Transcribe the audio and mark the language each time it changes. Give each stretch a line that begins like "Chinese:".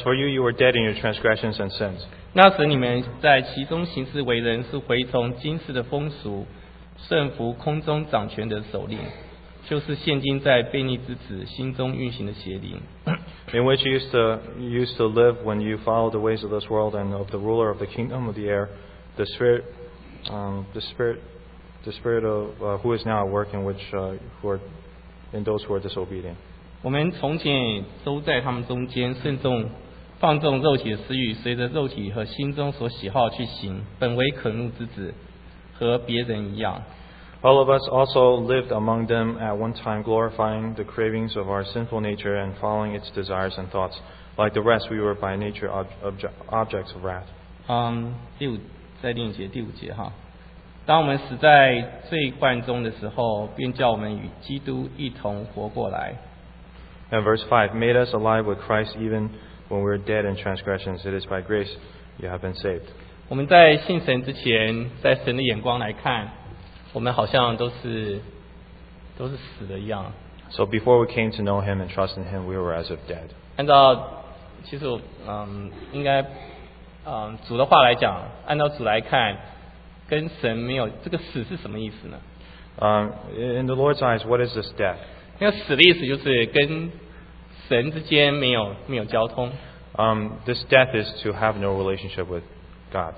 English: for you, you were dead in your transgressions and sins.
Chinese: 那时你们在其中行事为人，是随从今世的风俗，顺服空中掌权的首领，就是现今在悖逆之子心中运行的邪灵。
English: In which you used to live when you followed the ways of this world and of the ruler of the kingdom of the air, the spirit who is now at work in which who are in those who are disobedient.
Chinese: 我们从前都在他们中间，甚至。放纵肉体的私欲，随着肉体和心中所喜好去行，本为可怒之子，和别人一样。
English: All of us also lived among them at one time, glorifying the cravings of our sinful nature and following its desires and thoughts. Like the rest, we were by nature objects of wrath.
Chinese: 第五节哈，当我们死在罪患中的时候，便叫我们与基督一同活过来。
English: And verse 5, made us alive with Christ even when we were dead in transgressions. It is by grace you have been saved.
Chinese: 我们在信神之前，在神的眼光来看，我们好像都是死的一样。
English: So before we came to know Him and trust in Him, we were as if dead.
Chinese: 按照其实应该主的话来讲，按照主来看，跟神没有这个死是什么意思呢？
English: In the Lord's eyes, what is this death?
Chinese: 那个死的意思就是跟神之间没有交通。
English: This death is to have no relationship with God.